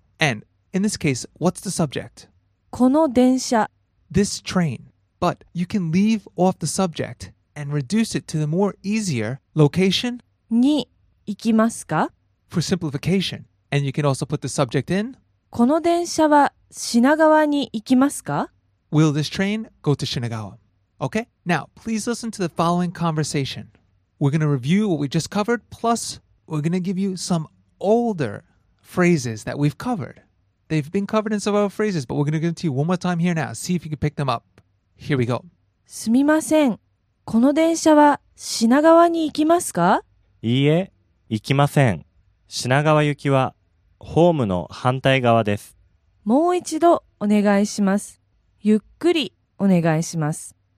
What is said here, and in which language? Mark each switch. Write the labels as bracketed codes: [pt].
[en] And in this case, what's the subject? [ja] この電車。 [en] This train. But you can leave off the subject and reduce it to the more easier location. [ja] に行きますか? [en] For simplification. And you can also put the subject in. [ja] この電車は品川に行きますか? [en] Will this train go to Shinagawa? Okay, now please listen to the following conversation. We're going to review what we just covered, plus we're going to give you some older phrases that we've covered. They've been covered in some of our phrases, but we're going to give them to you one more time here now. See if you can pick them up. Here we go. [ja] すみません。この電車は品川に行きますか? いいえ、行きません。品川行きはホームの反対側です。もう一度お願いします。ゆっくりお願いします。